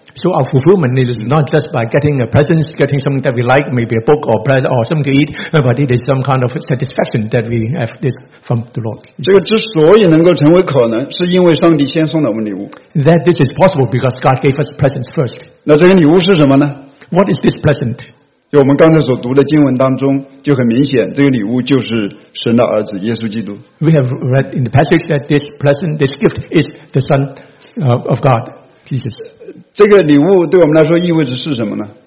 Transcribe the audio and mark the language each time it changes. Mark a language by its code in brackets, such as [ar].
[en] So our fulfillment is not just by getting a present, getting something that we like, maybe a book or bread or something to eat, but it is some kind of satisfaction that we have this from the Lord. [zh] 这个之所以能够成为可能，是因为上帝先送了我们礼物。 [en] That this is possible because God gave us presents first. [zh] 那这个礼物是什么呢？ [en] What is this present? [zh] 就我们刚才所读的经文当中，就很明显，这个礼物就是神的儿子耶稣基督。 [en] We have read in the passage that this present, this gift is the Son of God, Jesus. [zh] 这个礼物对我们来说意味着是什么呢？